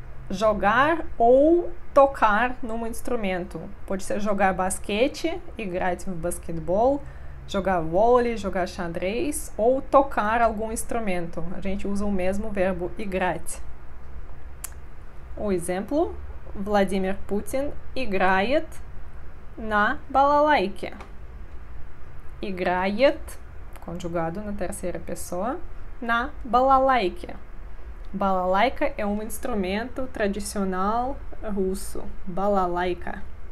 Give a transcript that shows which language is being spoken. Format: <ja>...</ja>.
<pt>Jogar ou tocar num instrumento. Pode ser jogar basquete,</pt> <ru>играть в баскетбол,</ru> <pt>jogar vôlei, jogar xadrez ou tocar algum instrumento. A gente usa o mesmo verbo играть. O exemplo:</pt> <ru>Владимир Путин играет на балалайке. Играет,</ru> <pt>conjugado na terceira pessoa,</pt> <ru>на балалайке.</ru> <pt>Балалайка é um instrumento tradicional russo.</pt> <ru>Балалайка.</ru>